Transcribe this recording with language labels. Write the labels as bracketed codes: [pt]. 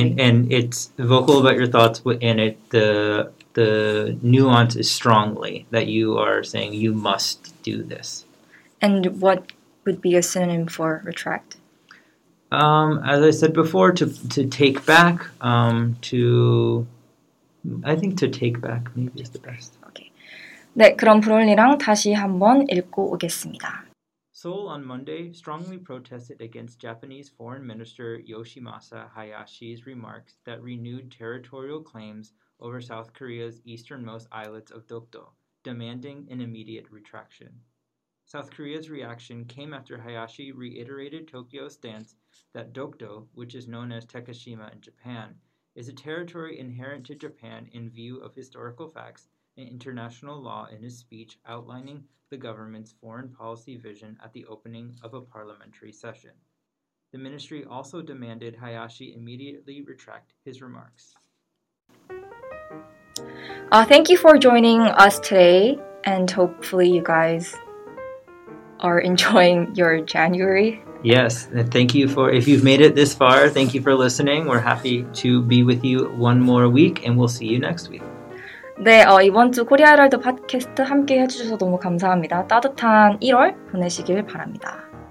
[en] I mean, and it's vocal about your thoughts, and the nuance is strongly that you are saying you must do this. And what would be a synonym for retract? As I said before, to take back, I think to take back maybe is the best. [ko] 네, 그럼 브롤리랑 다시 한번 읽고 오겠습니다. [en] Seoul on Monday strongly protested against Japanese Foreign Minister Yoshimasa Hayashi's remarks that renewed territorial claims over South Korea's easternmost islets of Dokdo, demanding an immediate retraction. South Korea's reaction came after Hayashi reiterated Tokyo's stance that Dokdo, which is known as Takeshima in Japan, is a territory inherent to Japan in view of historical facts international law in his speech outlining the government's foreign policy vision at the opening of a parliamentary session. The ministry also demanded Hayashi immediately retract his remarks. Thank you for joining us today, and hopefully you guys are enjoying your January. Yes, and thank you for, if you've made it this far, thank you for listening. We're happy to be with you one more week, and we'll see you next week. [ko] 네, 이번 주 코리아 헤럴드 팟캐스트 함께 해주셔서 너무 감사합니다. 따뜻한 1월 보내시길 바랍니다.